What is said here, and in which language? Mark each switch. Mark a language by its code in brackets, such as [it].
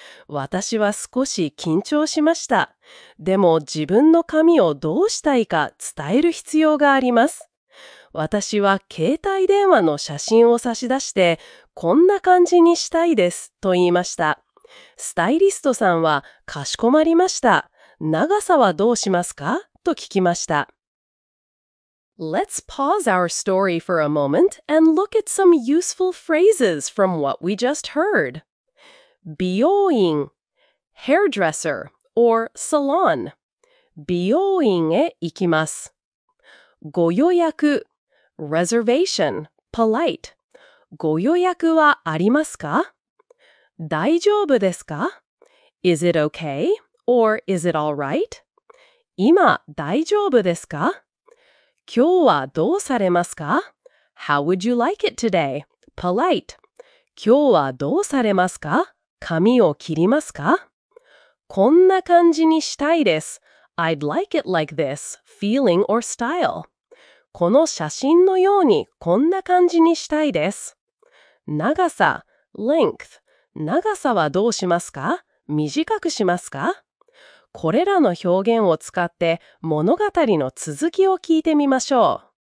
[ja] 私は少し緊張しました。でも自分の髪をどうしたいか伝える必要があります。私は携帯電話の写真を差し出して、こんな感じにしたいですと言いました。スタイリストさんはかしこまりました。長さはどうしますか？と聞きました。 [en] Let's pause our story for a moment and look at some useful phrases from what we just heard. 美容院 hairdresser or salon [ja] 美容院へ行きます。ご予約 [en] reservation polite [ja] ご予約はありますか？大丈夫ですか？ [en] is it okay or is it all right? [ja] 今大丈夫ですか？今日はどうされますか？ [en] how would you like it today? polite [ja] 今日はどうされますか？髪を切りますか？こんな感じにしたいです。 [en] I'd like it like this, feeling or style. [ja] この写真のようにこんな感じにしたいです。長さ、 [en] length。 [ja] 長さはどうしますか？短くしますか？これらの表現を使って物語の続きを聞いてみましょう。